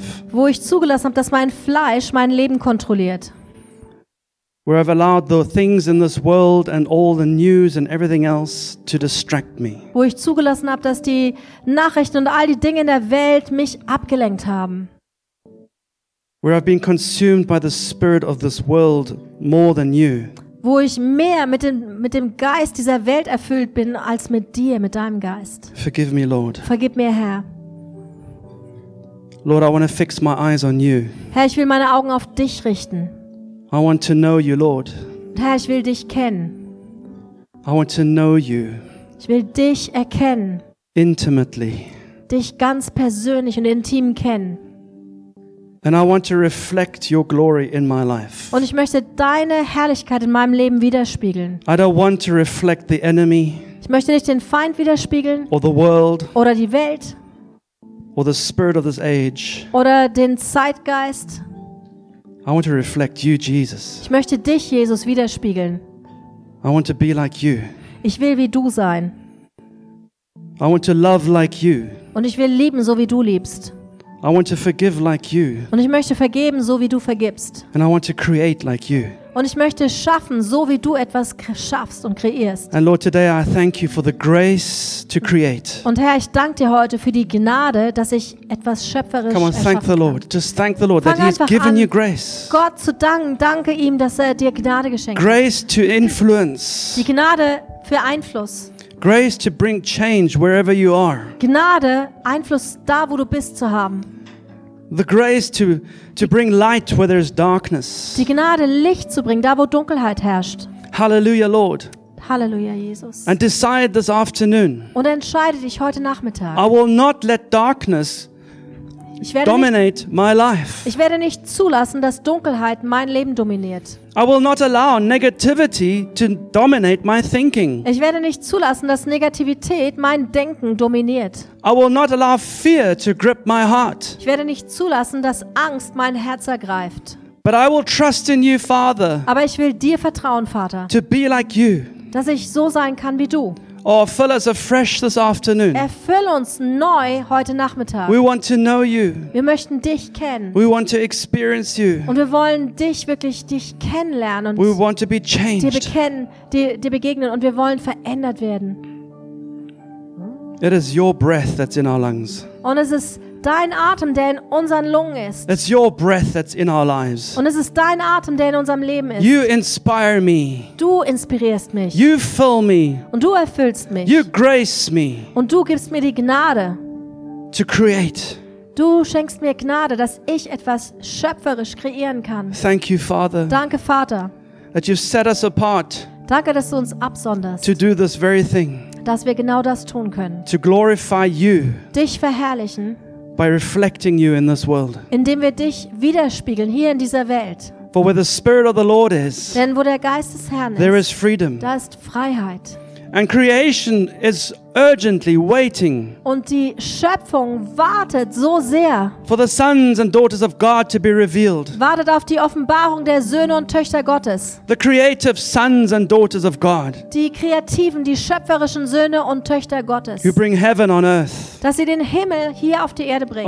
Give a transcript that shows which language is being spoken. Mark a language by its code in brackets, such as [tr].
[de] Wo ich zugelassen habe, dass mein Fleisch mein Leben kontrolliert. [en] Where I've allowed the things in this world and all the news and everything else to distract me. [de] Wo ich zugelassen habe, dass die Nachrichten und all die Dinge in der Welt mich abgelenkt haben. [en] Where I've been consumed by the spirit of this world more than you. [de] Wo ich mehr mit dem Geist dieser Welt erfüllt bin als mit dir, mit deinem Geist. [en] Forgive me, Lord. [de] Vergib mir, Herr. [en] Lord, I want to fix my eyes on you. [de] Herr, ich will meine Augen auf dich richten. [en] I want to know you, Lord. [de] Herr, ich will dich kennen. [en] I want to know you. [de] Ich will dich erkennen. [en] Intimately. [de] Dich ganz persönlich und intim kennen. [en] And I want to reflect your glory in my life. [de] Und ich möchte deine Herrlichkeit in meinem Leben widerspiegeln. [en] I don't want to reflect the enemy. [de] Ich möchte nicht den Feind widerspiegeln. [en] Or the world. [de] Oder die Welt. [en] Or the spirit of this age. [de] Oder den Zeitgeist. [en] I want to reflect you, Jesus. [de] Ich möchte dich, Jesus, widerspiegeln. [en] I want to be like you. [de] Ich will wie du sein. [en] I want to love like you. [de] Und ich will lieben, so wie du liebst. [en] I want to forgive like you. [de] Und ich möchte vergeben, so wie du vergibst. [en] And I want to create like you. [de] Und ich möchte schaffen, so wie du etwas schaffst und kreierst. [en] And Lord, today I thank you for the grace to create. [de] Und Herr, ich danke dir heute für die Gnade, dass ich etwas schöpferisch erschaffen kann. [en] Come on, thank the Lord. Just thank the Lord that he's given you grace. [de] Gott zu danken, danke ihm, dass er dir Gnade geschenkt hat. [en] Grace to influence. [de] Die Gnade für Einfluss. [en] Grace to bring change wherever you are. [de] Gnade, Einfluss da, wo du bist, zu haben. [en] The grace to bring light where there is darkness. [de] Die Gnade, Licht zu bringen, da, wo Dunkelheit herrscht. [en] Hallelujah, Lord. Hallelujah, Jesus. And decide this afternoon. [de] Und entscheide dich heute Nachmittag. [en] I will not let darkness dominate my life. [de] Ich werde nicht zulassen, dass Dunkelheit mein Leben dominiert. [en] I will not allow negativity to dominate my thinking. [de] Ich werde nicht zulassen, dass Negativität mein Denken dominiert. [en] I will not allow fear to grip my heart. [de] Ich werde nicht zulassen, dass Angst mein Herz ergreift. [en] But I will trust in you, Father. [de] Aber ich will dir vertrauen, Vater. [en] To be like you. [de] Dass ich so sein kann wie du. [en] Oh, fill us afresh this afternoon. [de] Erfüll uns neu heute Nachmittag. [en] We want to know you. [de] Wir möchten dich kennen. [en] We want to experience you. [de] Und wir wollen dich wirklich dich kennenlernen und [en] we want to be changed. [de] Dir begegnen und wir wollen verändert werden. [en] It is your breath that's in our lungs. [de] Und es ist dein Atem, der in unseren Lungen ist. [en] It's your breath that's in our lives. [de] Und es ist dein Atem, der in unserem Leben ist. [en] You inspire me. [de] Du inspirierst mich. [en] You fill me. [de] Und du erfüllst mich. [en] You grace me. [de] Und du gibst mir die Gnade. [en] To create. [de] Du schenkst mir Gnade, dass ich etwas schöpferisch kreieren kann. [en] Thank you, Father. [de] Danke, Vater. [en] That you set us apart. [de] Danke, dass du uns absonderst. [en] To do this very thing. [de] Dass wir genau das tun können. [en] To glorify you. [de] Dich verherrlichen. [en] By reflecting you in this world. [de] Indem wir dich widerspiegeln hier in dieser Welt. [en] For where the spirit of the Lord is. [de] Denn wo der Geist des Herrn ist. [en] There is freedom. [de] Da ist Freiheit. [en] And creation is urgently waiting. [de] Und die Schöpfung wartet so sehr. [en] For the sons and daughters of God to be revealed. [de] Wartet auf die Offenbarung der Söhne und Töchter Gottes. [en] The creative sons and daughters of God. [de] Die kreativen, die schöpferischen Söhne und Töchter Gottes. [en] You bring heaven on earth. [de] Dass sie den Himmel hier auf die Erde bringen.